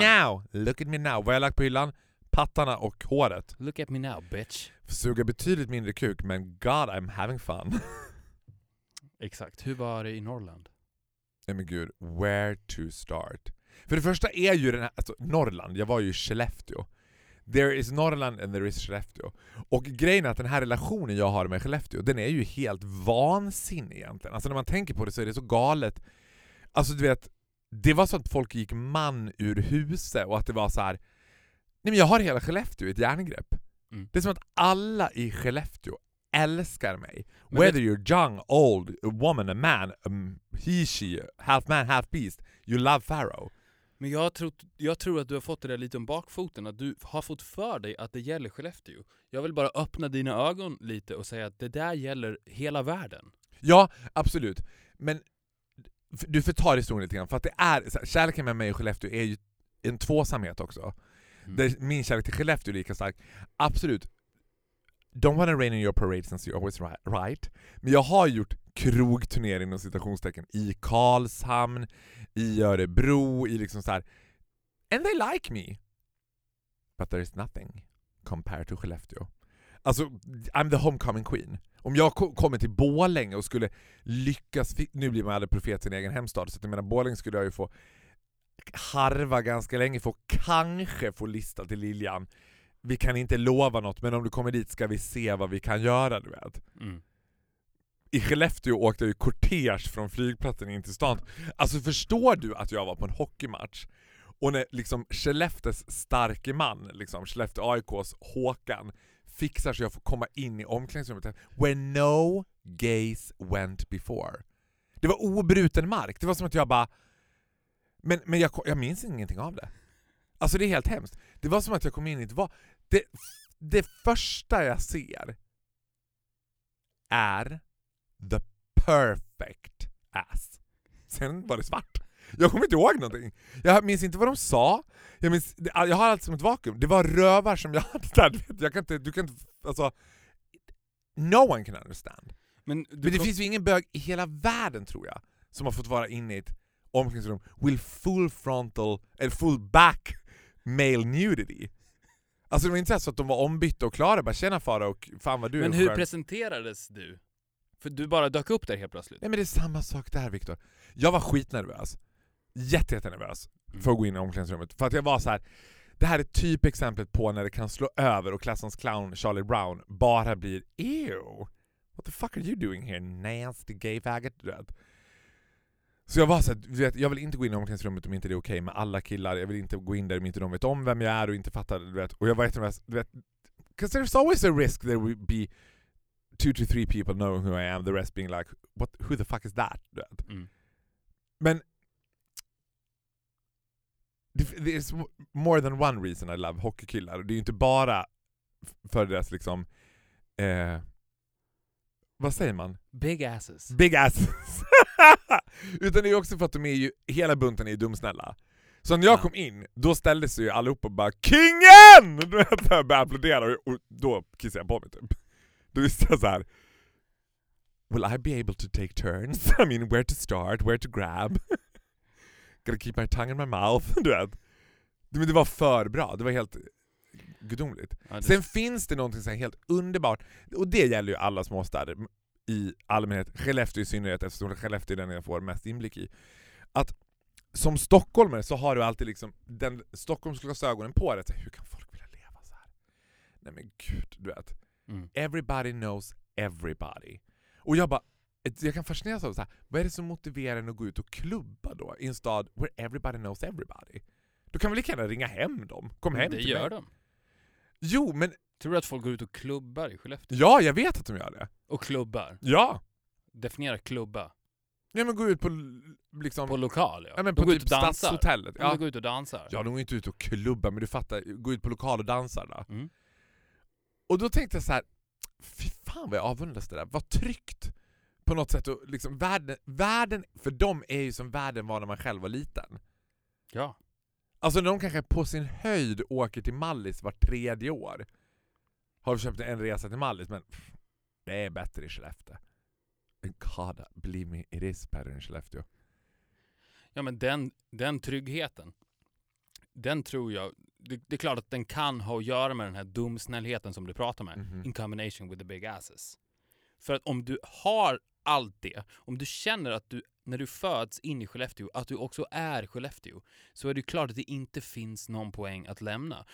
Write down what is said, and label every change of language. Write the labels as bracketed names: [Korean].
[English] Look at me now. [Swedish] Look at me now. Vad jag lagt på hyllan? Pattarna och håret. [English] Look at me now, bitch. [Swedish] Suga betydligt mindre kuk, men [English] God, I'm having fun. [Swedish] Exakt. Hur var det i Norrland? Nej men gud, [English] where to start? [Swedish] För det första är ju den här, alltså, Norrland. Jag var ju i Skellefteå. [English] There is Norrland and there is Skellefteå. [Swedish] Och grejen är att den här relationen jag har med Skellefteå, den är ju helt vansinnig egentligen. Alltså när man tänker på det så är det så galet. Alltså du vet, det var så att folk gick man ur huset och att det var så här, nej men jag har hela Skellefteå i ett järngrepp. Mm. Det är som att alla i Skellefteå älskar mig. [English] Men whether you're young, old, a woman, a man, he, she, half man, half beast, you love Pharaoh. [Swedish] Men jag tror att du har fått det där lite om bakfoten, att du har fått för dig att det gäller Skellefteå. Jag vill bara öppna dina ögon lite och säga att det där gäller hela världen. Ja, absolut. Men du förtar historien lite grann, för att det är så här, kärleken med mig och Skellefteå är ju en tvåsamhet också. Mm. Det, min kärlek till Skellefteå är lika stark. Absolut. [English] Don't wanna rain in your parade since you're always right. [Swedish] Men jag har gjort krogturnéer inom citationstecken i Karlshamn, i Örebro, i liksom så här. [English] And they like me. But there is nothing compared to Skellefteå. Alltså, I'm the homecoming queen. [Swedish] Om jag kommer till Borlänge och skulle lyckas, nu blir man aldrig profet i sin egen hemstad, så att jag menar, Borlänge skulle jag ju få harva ganska länge, få kanske få lista till Liljan. Vi kan inte lova något, men om du kommer dit ska vi se vad vi kan göra, du vet. Mm. I Skellefteå åkte jag ju kortege från flygplatsen in till stan. Alltså förstår du att jag var på en hockeymatch och när liksom Skellefteås starke man, liksom Skellefteå AIKs Håkan, fixar så jag får komma in i omklädningsrummet. [English] When no gays went before. [Swedish] Det var obruten mark. Det var som att jag bara, men jag minns ingenting av det. Alltså det är helt hemskt. Det var som att jag kom in i ett val. Det första jag ser är [English] the perfect ass. [Swedish] Sen var det svart. Jag kommer inte ihåg någonting. Jag minns inte vad de sa. Jag har allt som ett vakuum. Det var rövar som jag hade. Jag kan inte, du kan inte, alltså, [English] no one can understand. [Swedish] Men det finns ju ingen bög i hela världen, tror jag, som har fått vara inne i ett omklädningsrum [English] with full frontal [Swedish] eller [English] full back male nudity. [Swedish] Alltså det var inte så att de var ombytta och klara. Bara tjena fara och fan vad du. Men hur presenterades du? För du bara dök upp där helt plötsligt. Nej men det är samma sak där, Victor. Jag var skitnervös. Jättenervös för att gå in i omklädningsrummet. För att jag var så här. Det här är typexemplet på när det kan slå över och klassens clown Charlie Brown bara blir ew. [English] What the fuck are you doing here, nasty gay faggot? [Swedish] Så jag var så att jag vill inte gå in i omklädningsrummet om inte det är okej med alla killar. Jag vill inte gå in där om inte de vet om vem jag är och inte fattar, du vet. Och jag var jättenervös, du vet. [English] Because there's always a risk there will be 2 to 3 people knowing who I am. The rest being like, what, who the fuck is that? [Swedish] Du vet. [English] Mm. Men there's more than one reason I love hockeykillar. [Swedish] Det är ju inte bara för deras liksom, vad säger man? [English] Big asses. Big asses. [Swedish] Utan det är också för att de är ju, hela bunten är ju dumsnälla. Så när jag kom in, då ställde sig ju allihopa och bara, KINGEN! Då började jag applådera och då kissade jag på mig typ. Då visste jag så här, [English] will I be able to take turns? I mean, where to start? Where to grab? Gotta keep my tongue in my mouth, [Swedish] du vet. Men det var för bra, det var helt gudomligt. Ja, sen finns det någonting som är helt underbart, och det gäller ju alla småstäder i allmänhet, Skellefteå i synnerhet, eftersom Skellefteå är den jag får mest inblick i. Att som stockholmer så har du alltid liksom den stockholmsglasögonen på dig. Hur kan folk vilja leva så här? Nej men gud, du vet. Mm. [English] Everybody knows everybody. [Swedish] Och jag bara, jag kan fascineras av så här, vad är det som motiverar en att gå ut och klubba då i en stad [English] where everybody knows everybody? [Swedish] Då kan vi lika gärna ringa hem dem. Kom men hem det till gör mig. De. Jo, men tror du att folk går ut och klubbar i Skellefteå? Ja, jag vet att de gör det. Och klubbar? Ja. Definiera klubba. Ja, men gå ut på liksom, på lokal, ja. Ja, men på typ stadshotellet. Ja. Men gå ut och dansa. Ja, de går inte ut och klubba, men du fattar. Gå ut på lokal och dansa där. Mm. Och då tänkte jag så här, fy fan vad jag avundas det där. Vad tryggt på något sätt. Och liksom, världen, för dem är ju som världen var när man själv var liten. Ja. Alltså när de kanske på sin höjd åker till Mallis var tredje år. Har vi köpt en resa till Mallis, men pff, det är bättre i Skellefteå. [English] God, believe me, it is better in Skellefteå. [Swedish] Ja, men den tryggheten, den tror jag, det är klart att den kan ha att göra med den här dumsnällheten som du pratar med, mm-hmm. [English] in combination with the big asses. [Swedish] För att om du har allt det, om du känner att du, när du föds in i Skellefteå, att du också är Skellefteå, så är det klart att det inte finns någon poäng att lämna.